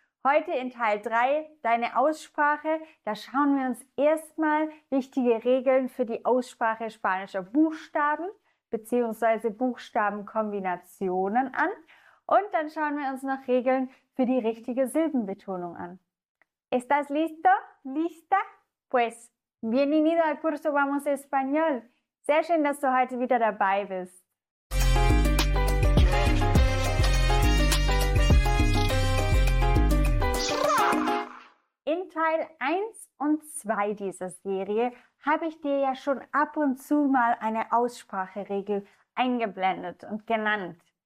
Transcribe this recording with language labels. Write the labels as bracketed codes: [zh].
[de] Heute in Teil 3, deine Aussprache, da schauen wir uns erstmal wichtige Regeln für die Aussprache spanischer Buchstaben beziehungsweise Buchstabenkombinationen an. Und dann schauen wir uns noch Regeln für die richtige Silbenbetonung an. [es] ¿Estás listo? ¿Lista? Pues, bienvenido al curso Vamos Español. [de] Sehr schön, dass du heute wieder dabei bist. In Teil 1 und 2 dieser Serie habe ich dir ja schon ab und zu mal eine Ausspracheregel eingeblendet und genannt.